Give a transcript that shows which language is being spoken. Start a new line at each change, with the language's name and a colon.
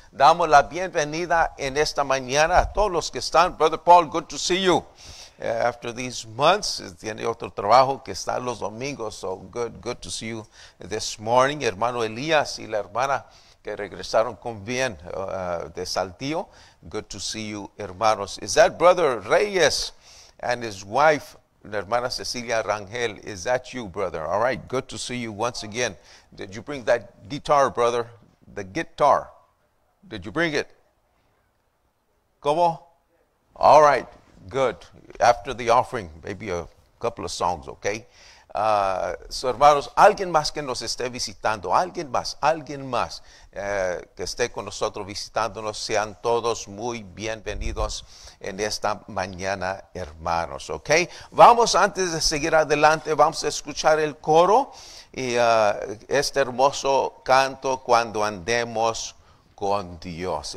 Spanish: Damos la bienvenida en esta mañana a todos los que están.
English: Brother Paul, good to see you. After these months,
Spanish: tiene otro trabajo que está los domingos.
English: So good to see you this morning.
Spanish: Hermano Elías y la hermana que regresaron con bien de Saltillo.
English: Good to see you, hermanos. Is that Brother Reyes? And his wife,
Spanish: la hermana
English: Cecilia Rangel, is that you, brother? All right, good to see you once again. Did you bring that guitar, brother? The guitar. Did you bring it? ¿Cómo? All right, good. After the offering, maybe a couple of songs, okay?
Spanish: So, hermanos, alguien más que nos esté visitando, alguien más que esté con nosotros visitándonos, sean todos muy bienvenidos en esta mañana, hermanos, ok. Vamos, antes de seguir adelante, vamos a escuchar el coro y este hermoso canto, Cuando Andemos con Dios.